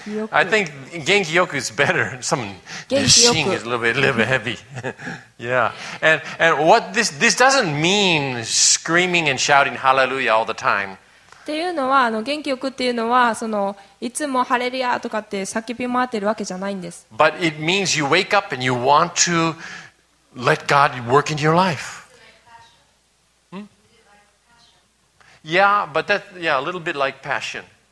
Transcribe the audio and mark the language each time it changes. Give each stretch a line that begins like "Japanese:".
English: I think 元気よく is better. Some shing is a little bit heavy. Yeah. And what this doesn't mean screaming and shouting hallelujah all the time.
Japanese: っていうのは、元気よくっていうのは、いつもハレルヤとかって叫び回ってるわけじゃないんです。
English: But it means you wake up and you want to let God work into your life. Yeah, but that, yeah, a little bit like passion.